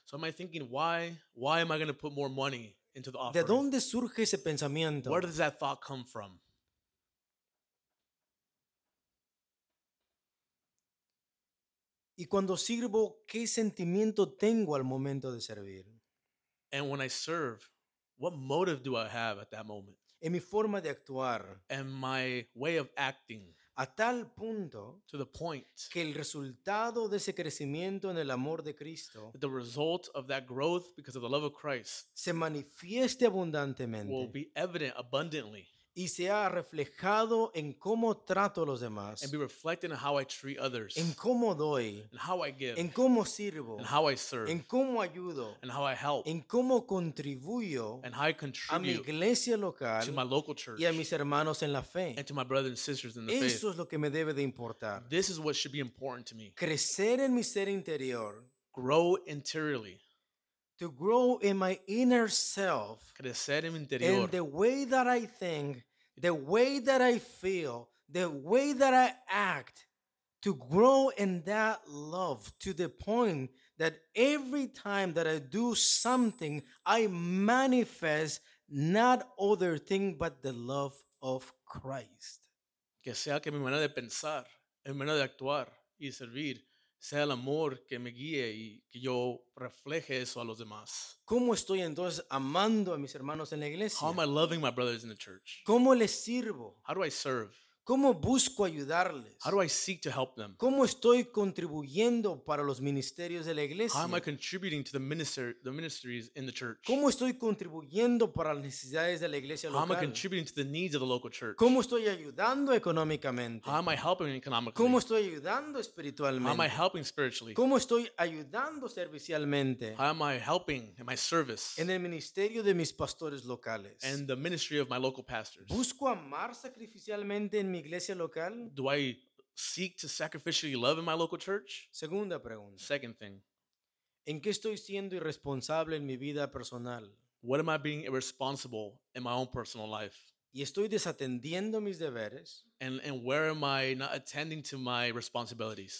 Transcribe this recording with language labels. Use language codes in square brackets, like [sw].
[en] So am I thinking, why am I going to put more money into the offering? [es] ¿De dónde surge ese pensamiento? [en] Where does that thought come from? [es] Y cuando sirvo, ¿qué sentimiento tengo al momento de servir? [en] And when I serve, what motive do I have at that moment? [es] En mi forma de actuar. [en] And my way of acting. [es] A tal punto, [en] to the point, [es] que el resultado de ese crecimiento en el amor de Cristo, [en] the result of that growth because of the love of Christ, [es] se manifieste abundantemente, [en] will be evident abundantly, [es] y sea reflejado en cómo trato a los demás, [en] and be reflected in how I treat others, [es] en cómo doy, [en] and how I give, [es] en cómo sirvo, [en] and how I serve, [es] en cómo ayudo, [en] and how I help, [es] en cómo contribuyo, [en] and how I contribute, [es] a mi iglesia local, [en] to my local church, [es] y a mis hermanos en la fe, [en] and to my brothers and sisters in the [es] eso [en] faith. [es] Eso es lo que me debe de importar. [en] This is what should be important to me. [es] Crecer en mi ser interior. [en] Grow interiorly. To grow in my inner self. [es] Crecer en mi interior. [en] In the way that I think, the way that I feel, the way that I act, to grow in that love to the point that every time that I do something, I manifest not other thing but the love of Christ. [es] Que sea que mi manera de pensar, mi manera de actuar y servir, sea el amor que me guíe y que yo refleje eso a los demás. ¿Cómo estoy entonces amando a mis hermanos en la iglesia? [en] How am I loving my brothers in the church? [es] ¿Cómo les sirvo? [en] How do I serve? [es] ¿Cómo busco ayudarles? [en] How do I seek to help them? [es] ¿Cómo estoy contribuyendo para los ministerios de la iglesia? [en] How am I contributing to the ministries in the church? [es] ¿Cómo estoy contribuyendo para las necesidades de la iglesia local? [en] How am I contributing to the needs of the local church? [es] ¿Cómo estoy ayudando económicamente? [en] How am I helping economically? [es] ¿Cómo estoy ayudando espiritualmente? [en] How am I helping spiritually? [es] ¿Cómo estoy ayudando servicialmente? [en] How am I helping in my service? [es] En el ministerio de mis pastores locales. [en] And the ministry of my local pastors. [es] ¿Busco amar sacrificialmente en mi iglesia local? [en] Do I seek to sacrificially love in my local church? [es] Segunda pregunta. [en] Second thing. [es] ¿En qué estoy siendo irresponsable en mi vida personal? [en] What am I being irresponsible in my own personal life? [es] ¿Y estoy desatendiendo mis deberes? [en] And where am I not attending to my responsibilities?